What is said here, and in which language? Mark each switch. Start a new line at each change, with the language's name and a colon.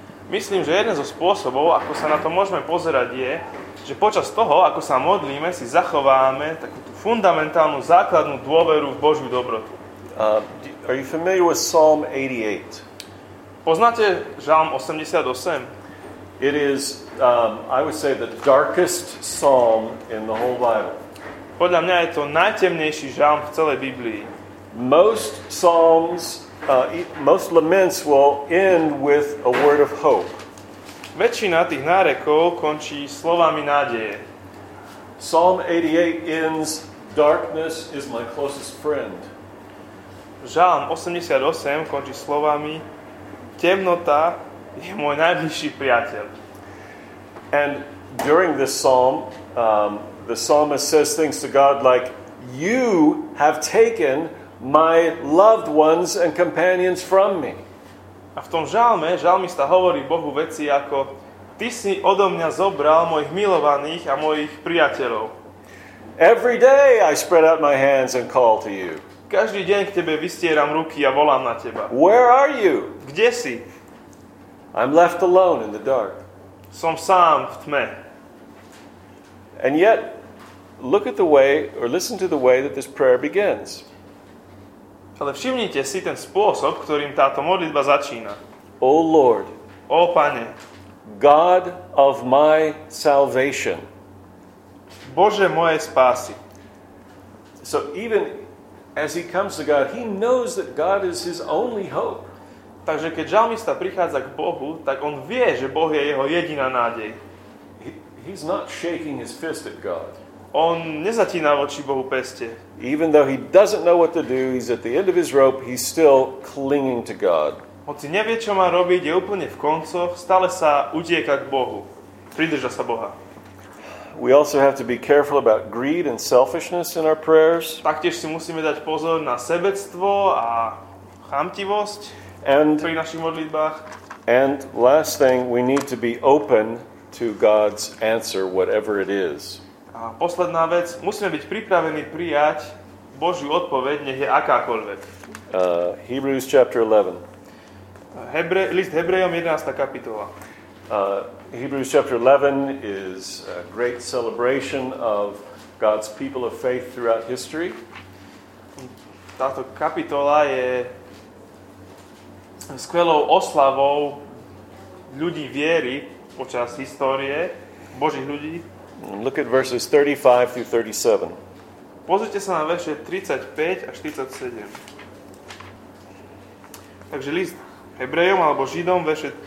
Slovak: Myslím, že jeden zo spôsobov, ako sa na to môžeme pozerať, je, že počas toho, ako sa modlíme, si zachováme takú tú fundamentálnu, základnú dôveru v Božiu dobrotu.
English: Are you familiar with Psalm 88?
Slovak: Poznáte Žalm 88?
English: It is, I would say, the darkest psalm in the whole Bible.
Slovak: Podľa mňa je to najtemnejší žalm v celej Biblii.
English: Most psalms, most laments will end with a word of hope.
Slovak: Väčšina tých nárekov končí slovami nádeje.
English: Psalm 88 ends, darkness is my closest friend.
Slovak: Žalm 88 končí slovami, temnota je môj najbližší priateľ.
English: And during this psalm, the psalmist says things to God like, you have taken my loved ones and companions from me.
Slovak: A v tom žalme žalmista hovorí Bohu veci ako, ty si odo mňa zobral mojich milovaných a mojich priateľov.
English: Every day I spread out my hands and call to you.
Slovak: Každý deň k tebe vystieram ruky a volám na teba.
English: Where are you?
Slovak: Kde si?
English: I'm left alone in the dark.
Slovak: Som sám v tme.
English: And yet, look at the way, or listen to the way that this prayer begins.
Slovak: Ale všimnite si ten spôsob, ktorým táto modlitba začína.
English: O Lord,
Slovak: o Pane,
English: God of my salvation.
Slovak: Bože mojej spásy.
English: So even as he comes to God, he knows that God is his only hope.
Slovak: Takže keď žalmista prichádza k Bohu, tak on vie, že Boh je jeho jediná nádej.
English: He's not shaking his fist at God.
Slovak: On nezatína voči Bohu peste.
English: Even though he doesn't know what to do, he's at the end of his rope, he's still clinging to God.
Slovak: Hoci nevie, čo má robiť, je úplne v koncoch, stále sa utieka k Bohu. Pridrža sa Boha.
English: We also have to be careful about greed and selfishness in our prayers.
Slovak: Taktiež si musíme dať pozor na sebectvo a chamtivosť pri našich modlitbách.
English: And last thing, we need to be open to God's answer, whatever it is.
Slovak: A posledná vec, musíme byť pripravení prijať Božiu odpoveď, nech je akákoľvek.
English: Hebrews chapter 11.
Slovak: List Hebrejom 11. kapitola.
English: Hebrews chapter 11 is a great celebration of God's people of faith throughout history.
Slovak: Táto kapitola je skvelou oslavou ľudí viery počas histórie, Božích ľudí.
English: Look at verses 35 through 37.
Slovak: Pozrite sa na verše 35 až 37. Takže list Hebrejom alebo Židom, verše